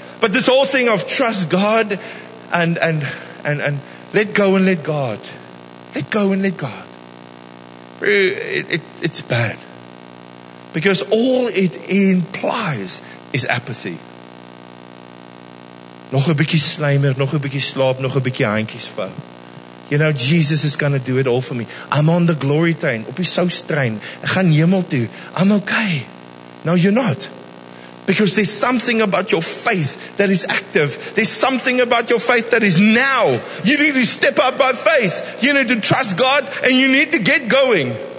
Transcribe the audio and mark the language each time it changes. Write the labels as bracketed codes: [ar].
[en] But this whole thing of trust God and let go and let God. Let go and let God. It's bad. Because all it implies is apathy. [af] Nog 'n bietjie slymer, nog 'n bietjie slaap, nog 'n bietjie handjies vou. [en] You know, Jesus is going to do it all for me. I'm on the glory train, [af] op die soustrein. Ek gaan hemel toe. [en] I'm okay. No, you're not. Because there's something about your faith that is active. There's something about your faith that is now. You need to step up by faith. You need to trust God and you need to get going.